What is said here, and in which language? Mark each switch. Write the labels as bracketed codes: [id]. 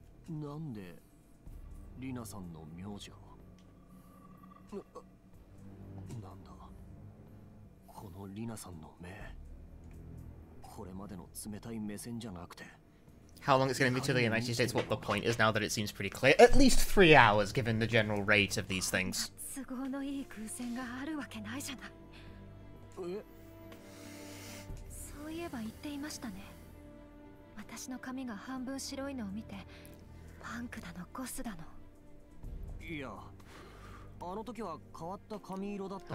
[ja] なんでリナさんの名字が。なんだこのリナさんの目。これまでの冷たい目線じゃなくて。 [en] How long it's going to be till the United States? What the point is now that it seems pretty clear? At least 3 hours, given the general rate of these things. [ja] 都合のいい空戦があるわけないじゃない。そういえば言っていましたね。私の髪が半分白いのを見て、パンクだのゴスだの。いや、あの時は変わった髪色だった。